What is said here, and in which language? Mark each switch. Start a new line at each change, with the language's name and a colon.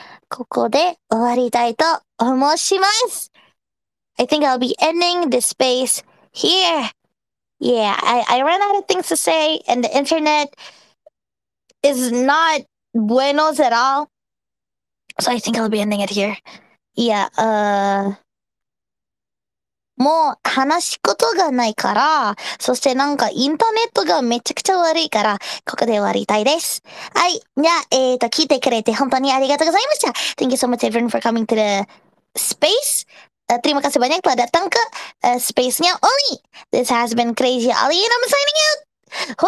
Japanese: Koko de owaritai to omoshimasu.
English: I think I'll be ending the space here. Yeah, I ran out of things to say and the internet is not buenos at all. So I think I'll be ending it here.
Japanese: Yeah, もう話すことがないから、そしてなんかインターネットがめちゃくちゃ悪いから、ここで終わりたいです。はい。じゃあ、聞いてくれて本当にありがとうございました。
English: Thank you so much everyone for coming to the space.
Indonesian: Terima kasih banyak telah datang ke space-nya Oli.
English: This has been Crazy Oli and I'm signing out.